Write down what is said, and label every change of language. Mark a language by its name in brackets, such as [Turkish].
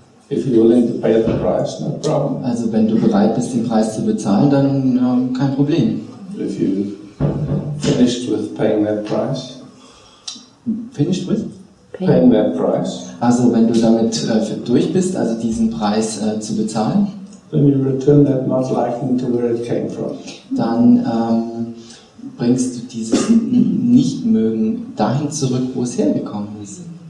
[German] Also wenn du bereit bist, den Preis zu bezahlen, dann kein Problem. [English] If you finished with paying that price. Finished with? Paying that price. [German] Also wenn du damit durch bist, also diesen Preis zu bezahlen. [English] Then you return that not liking to where it came from. [German] Dann bringst du dieses Nichtmögen dahin zurück, wo es hergekommen ist.